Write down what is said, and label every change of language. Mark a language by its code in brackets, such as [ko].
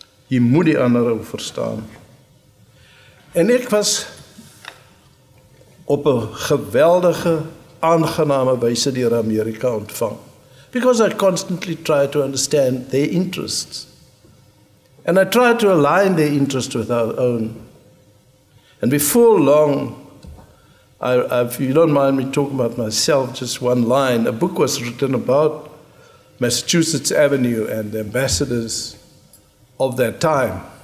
[af] Jy moet die andere verstaan. En ek was op een geweldige, aangename wijze die Amerika ontvang. [en] Because I constantly try to understand their interests. And I try to align their interests with our own. And before long, if you don't mind me talking about myself, just one line. A book was written about Massachusetts Avenue and the ambassadors of that time.